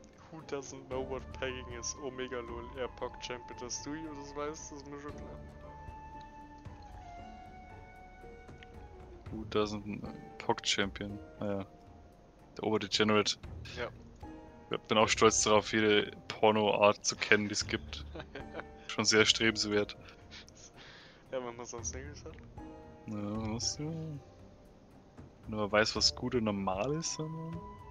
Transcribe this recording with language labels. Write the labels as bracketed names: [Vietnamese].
[English] Who doesn't know what pegging is? Omega Lul, Airpock Champion. [German] Dass du das weißt, ist mir schon klar. [English] Who doesn't Pog Champion? [German] Naja. Der Oberdegenerate. Ja. Ich bin auch stolz darauf, jede Porno-Art zu kennen, die es gibt. Schon sehr strebenswert. Ja, wenn man sonst nichts hat. Na, was ja. Wenn man weiß, was gut und normal ist, dann.